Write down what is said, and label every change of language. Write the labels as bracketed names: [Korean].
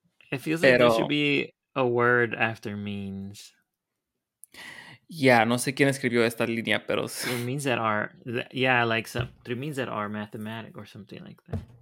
[English] It feels like there should be a word after means. [Spanish] Yeah, no sé quién escribió esta línea, pero... [English] Through means that are... through means that are mathematic or something like that.